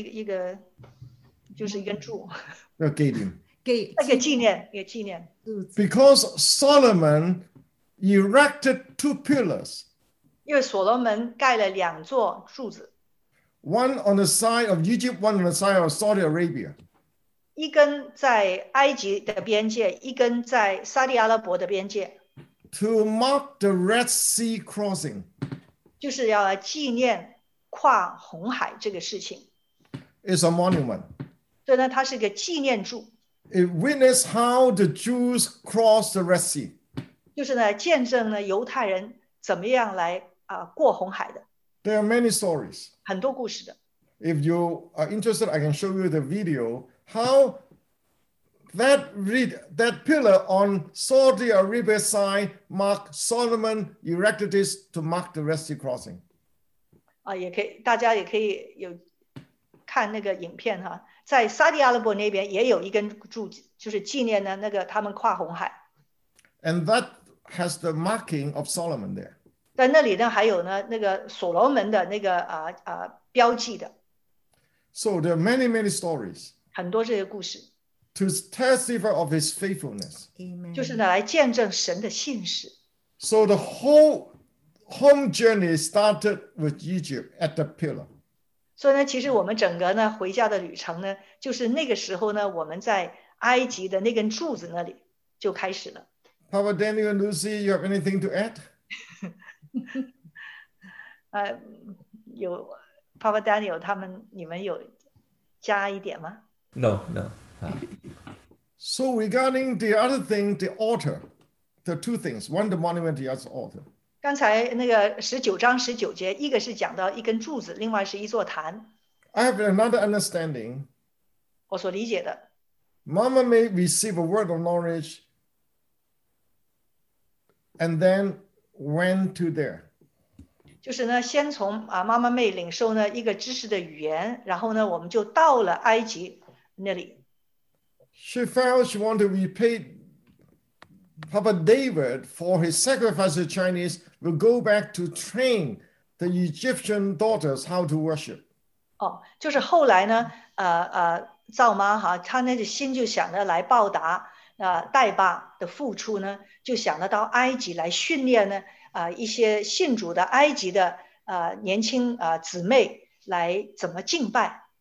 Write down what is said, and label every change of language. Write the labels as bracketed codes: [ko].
[zh] 它是一根柱，也是一个，就是一根柱. [en] Gate. [zh] 那个纪念。 [en] Because Solomon erected two pillars. [zh] 因为所罗门盖了两座柱子. [en] One on the side of Egypt, one on the side of Saudi Arabia. [zh] 一根在埃及的边界，一根在沙特阿拉伯的边界。To [en] mark the Red Sea crossing. [zh] 就是要纪念跨红海这个事情。 [en] It's a monument. [zh] 所以呢，它是个纪念柱。 [en] It witnessed how the Jews crossed the Red Sea. [zh] 就是呢，见证了犹太人怎么样来啊过红海的。 [en] There are many stories. [zh] 很多故事的。 [en] If you are interested, I can show you the video how that pillar on Saudi Arabia's side marked Solomon erected this to mark the Red Sea crossing. [zh] 啊，也可以，大家也可以有看那个影片哈。在沙地阿拉伯那边也有一根柱子，就是纪念呢那个他们跨红海。 [en] And that has the marking of Solomon there. [zh] 在那里呢，还有呢那个所罗门的那个标记的。 [en] So there are many, many stories. [zh] 很多这些故事。 [en] To testify of his faithfulness. Amen. [zh] 就是呢来见证神的信实。 [en] So the whole home journey started with Egypt at the pillar. [zh] 所以呢，其实我们整个呢回家的旅程呢，就是那个时候呢，我们在埃及的那根柱子那里就开始了。 [en] Papa Daniel and Lucy, you have anything to add? [zh] 有 Papa Daniel 他们，你们有加一点吗 [en] ？No, no.、 So regarding the other thing, the altar, the two things. One, the monument, the other altar. [zh] 刚才那个十九章十九节，一个是讲到一根柱子，另外是一座坛。 [en] I have another understanding. [zh] 我所理解的。 [en] Mama may receive a word of knowledge and then went to there. [zh] 就是呢，先从啊妈妈妹领受呢一个知识的语言，然后呢我们就到了埃及那里。 [en] She felt she wanted to repay Papa David for his sacrifice to Chinese. We'll go back to train the Egyptian daughters how to worship. [zh] Oh, 就是后来呢，赵妈哈，她那个心就想着来报答，代爸的付出呢，就想着到埃及来训练呢，一些信主的埃及的年轻姊妹来怎么敬拜。